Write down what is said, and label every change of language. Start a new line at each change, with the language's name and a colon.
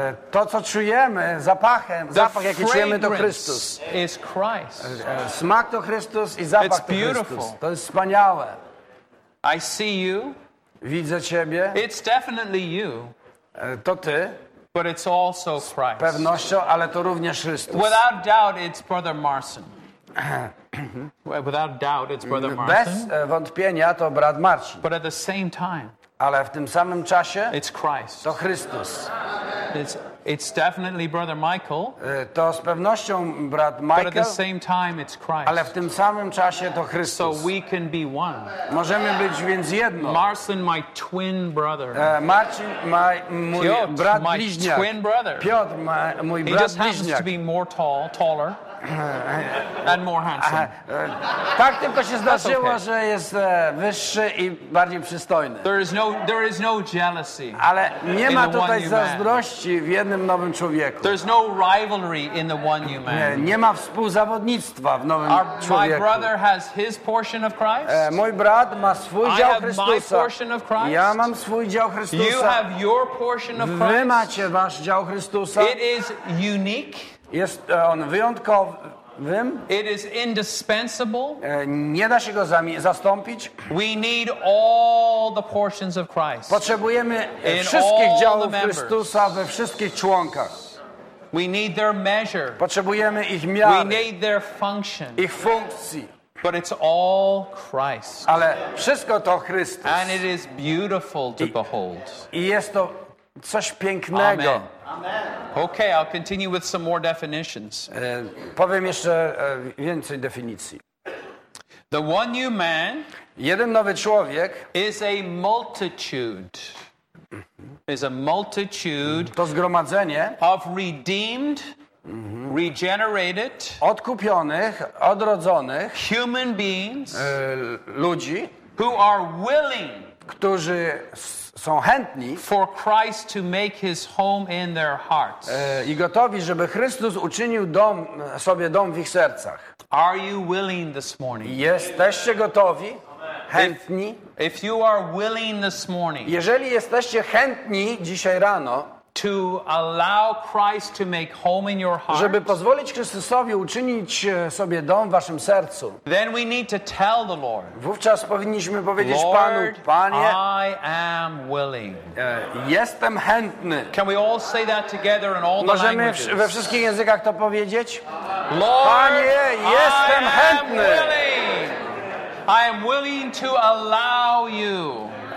Polish: To co czujemy, zapach jaki czujemy, to Chrystus.
English: Is Christ.
Polish: Smak to Chrystus i zapach
English: it's
Polish: to Chrystus.
English: Beautiful.
Polish: To jest wspaniałe.
English: I see you.
Polish: Widzę ciebie.
English: It's definitely you.
Polish: To ty.
English: But it's also Christ.
Polish: Z pewnością, ale to również Chrystus.
English: Without doubt, it's Brother Marcin. Without doubt, it's Brother Marcin.
Polish: Bez wątpienia, to brat Marcin.
English: But at the same time.
Polish: Ale w tym samym czasie.
English: It's Christ.
Polish: To Chrystus.
English: It's definitely Brother Michael.
Polish: To z pewnością brat Michael.
English: But at the same time, it's Christ.
Polish: Ale w tym samym czasie to Chrystus.
English: So we can be one.
Polish: Możemy być więc jedno.
English: Marcin, my twin brother.
Polish: Marcin, mój Piotr, brat bliźniak.
English: Twin brother.
Polish: Piotr, mój brat bliźniak.
English: He just happens to be more tall, taller. And more handsome.
Polish: Tak tylko się zdarzyło, okay. Że jest wyższy i bardziej przystojny.
English: There is no jealousy.
Polish: Ale nie ma tutaj zazdrości w jednym nowym człowieku.
English: There's no rivalry in the one new man.
Polish: Nie ma współzawodnictwa w nowym człowieku.
English: My brother has his portion of Christ.
Polish: Mój brat ma swój dział Chrystusa.
English: I have my portion of Christ.
Polish: Ja mam swój dział Chrystusa.
English: You have your portion of Christ.
Polish: Wy macie wasz dział Chrystusa.
English: It is unique.
Polish: Jest on wyjątkowym.
English: It is indispensable.
Polish: Nie da się go zastąpić.
English: We need all the portions of Christ.
Polish: Potrzebujemy wszystkich działów Chrystusa we wszystkich członkach.
English: We need their measure.
Polish: Potrzebujemy ich miary.
English: We need their function.
Polish: Ich funkcji.
English: But it's all Christ.
Polish: Ale wszystko to Chrystus.
English: And it is beautiful to behold.
Polish: I jest to coś pięknego.
English: Amen. Okay, I'll continue with some more definitions.
Polish: Powiem jeszcze więcej definicji.
English: The one new man,
Polish: jeden nowy człowiek,
English: is a multitude. Is a multitude.
Polish: To zgromadzenie
English: of redeemed, regenerated,
Polish: odkupionych, odrodzonych
English: human beings,
Polish: ludzi,
English: who are willing,
Polish: którzy są chętni,
English: for Christ to make his home in their hearts.
Polish: I gotowi, żeby Chrystus uczynił dom, sobie dom w ich sercach.
English: Are you willing this morning?
Polish: Jesteście gotowi? Chętni?
English: If you are willing this morning,
Polish: jeżeli jesteście chętni dzisiaj rano,
English: to allow Christ to make home in your heart,
Polish: żeby pozwolić Chrystusowi uczynić sobie dom w waszym sercu,
English: then we need to tell the Lord,
Polish: wówczas powinniśmy powiedzieć
English: Lord,
Polish: Panu, Panie,
English: I am willing.
Polish: Jestem chętny.
English: Can we all say that together in all the languages?
Polish: Możemy we wszystkich językach to powiedzieć?
English: Lord,
Polish: Panie, jestem
English: I
Polish: chętny.
English: Am willing. I am willing to allow you.